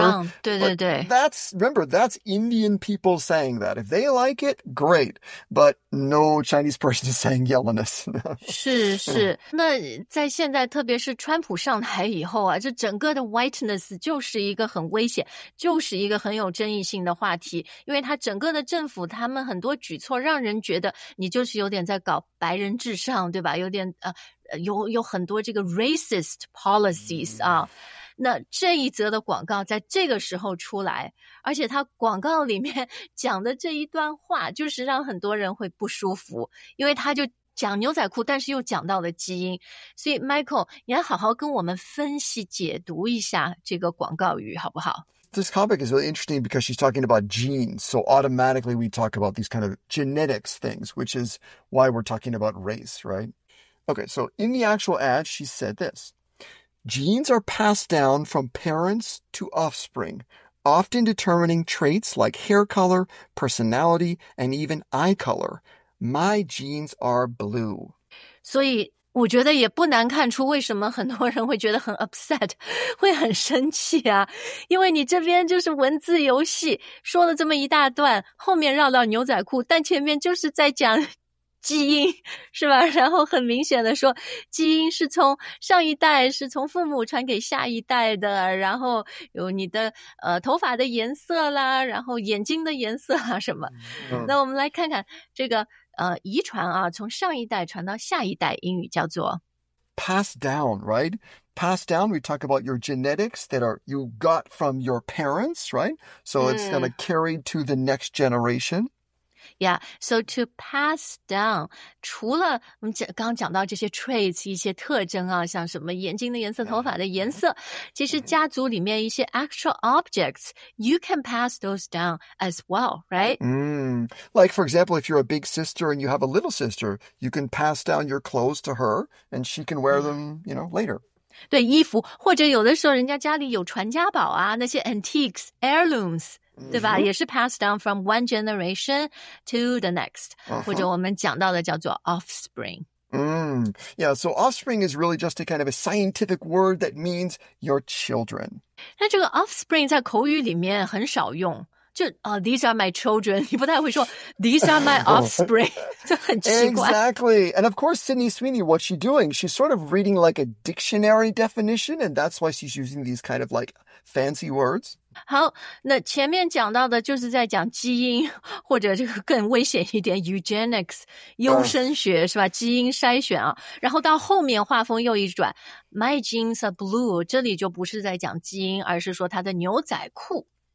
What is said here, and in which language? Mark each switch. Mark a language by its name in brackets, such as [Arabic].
[Chinese] Brown, 对对对。 [English] That's Indian people saying that. If they like it, great. But no Chinese person is saying yellowness. [Chinese] 是是，那在现在，特别是川普上台以后啊，这整个的 whiteness 就是一个很危险，就是一个很有争议性的话题，因为他整个的政府，他们很多举措让人觉得你就是有点在搞白人至上，对吧？有点有很多这个 [English] racist policies [Chinese] 啊。那这一则的广告在这个时候出来，而且他广告里面讲的这一段话，就是让很多人会不舒服，因为他就。讲牛仔裤，但是又讲到了基因，所以 Michael， 你要好好跟我们分析解读一下这个广告语，好不好？ [English] This topic is really interesting because she's talking about genes, so automatically we talk about these kind of genetics things, which is why we're talking about race, right? Okay, so in the actual ad, she said this: genes are passed down from parents to offspring, often determining traits like hair color, personality, and even eye color. My genes are blue. [Chinese] 所以我觉得也不难看出为什么很多人会觉得很 upset, 会很生气啊。因为你这边就是文字游戏说了这么一大段，后面绕到牛仔裤，但前面就是在讲基因，是吧？然后很明显的说基因是从上一代是从父母传给下一代的，然后有你的头发的颜色啦，然后眼睛的颜色啊什么。那我们来看看这个遗传啊，从上一代传到下一代，英语叫做 [English] pass down, right? Pass down, we talk about your genetics that are you got from your parents, right? So it's kind of carried to the next generation. Yeah, so to pass down, [Chinese] 除了我们刚讲到这些 traits, 一些特征啊，像什么眼睛的颜色、头发的颜色，其实家族里面一些 [English] actual objects, you can pass those down as well, right? Like, for example, if you're a big sister and you have a little sister, you can pass down your clothes to her and she can wear them, you know, later. [Chinese] 对衣服，或者有的时候人家家里有传家宝啊，那些 antiques, heirlooms, 对吧？也是 [English] passed down from one generation to the next, [Chinese] 或者我们讲到的叫做 [English] offspring. Yeah, so offspring is really just a kind of a scientific word that means your children. [Chinese] 那这个 offspring 在口语里面很少用。 [English] These are my children. [Chinese] 你不太会说 [English] these are my offspring. [Chinese] 这很奇怪。 [English] Exactly. And of course, Sydney Sweeney, what's she doing? She's sort of reading like a dictionary definition, and that's why she's using these kind of like fancy words. [Chinese] 好，那前面讲到的就是在讲基因，或者这个更危险一点 eugenics, 优生学是吧？基因筛选啊。然后到后面画风又一转 ， [English] My jeans are blue. [Chinese] 这里就不是在讲基因，而是说他的牛仔裤。